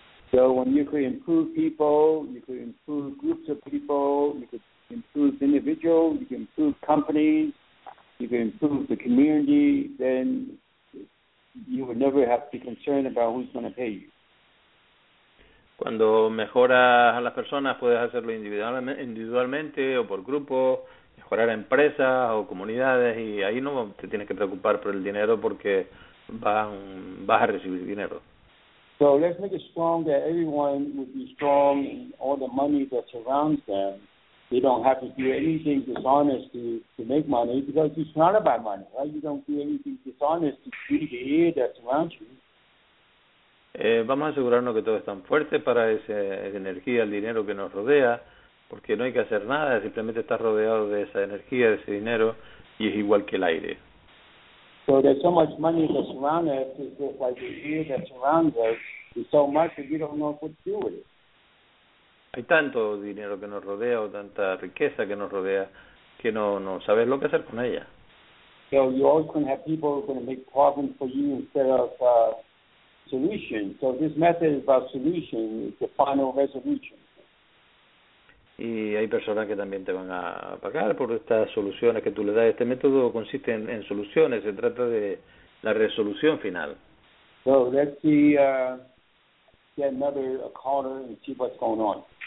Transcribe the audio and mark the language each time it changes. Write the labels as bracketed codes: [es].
[en] So when you could improve people, you could improve groups of people, you could improve individuals, you could improve companies, you could improve the community, then you would never have to be concerned about who's going to pay you. [es] Cuando mejoras a las personas, puedes hacerlo individualmente o por grupo, mejorar empresas o comunidades, y ahí no te tienes que preocupar por el dinero porque vas a recibir dinero. [en] So let's make it strong that everyone would be strong in all the money that surrounds them. They don't have to do anything dishonest to make money, because it's not about money, right? You don't do anything dishonest to feed the air that surrounds you. [es] Vamos a asegurarnos que todos están fuertes para esa energía, el dinero que nos rodea, porque no hay que hacer nada, simplemente estás rodeado de esa energía, de ese dinero, y es igual que el aire. [en] So there's so much money that surrounds us, it's just like the air that surrounds us, it's so much that we don't know what to do with it. [es] Hay tanto dinero que nos rodea o tanta riqueza que nos rodea que no sabes lo que hacer con ella. [en] So you always can have people going to make problems for you instead of solution. So this method is about solution, it's the final resolution. [es] Y hay personas que también te van a pagar por estas soluciones que tú le das. Este método consiste en soluciones, se trata de la resolución final. [en] So let's see, get another caller and see what's going on.